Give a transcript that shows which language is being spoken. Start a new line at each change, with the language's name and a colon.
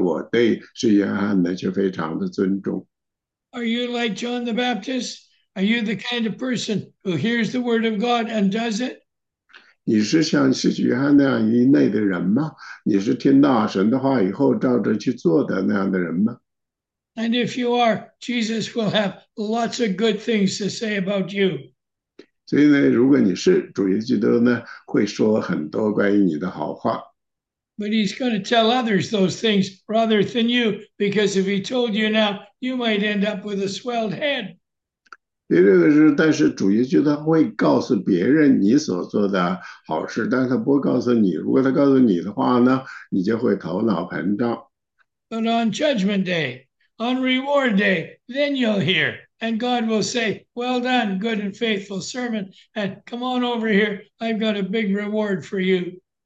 Chinese: 这个里面的意思是，他说我不告诉使徒约翰的仆人，因为我如果我告诉使徒约翰的仆人呢，他回去呢就会告诉那个将使徒约翰的，使徒约翰没必要听到这些，但是呢，我对使徒约翰呢就非常的尊重。
English: Are you like John the Baptist? Are you the kind of person who hears the word of God and does it?
Chinese: 你是像使徒约翰那样一类的人吗？你是听到神的话以后照着去做的那样的人吗？
English: And if you are, Jesus will have lots of good things to say about you.
Chinese: 所以呢，如果你是主耶稣基督呢，会说很多关于你的好话。
English: But he's going to tell others those things rather than you, because if he told you now, you might end up with a swelled head.
Chinese: 这个是，但是主耶稣他会告诉别人你所做的好事，但是他不会告诉你。如果他告诉你的话呢，你就会头脑膨胀。
English: But on Judgment Day, on Reward Day, then you'll hear, and God will say, well done, good and faithful servant, and come on over here, I've got a big reward for you.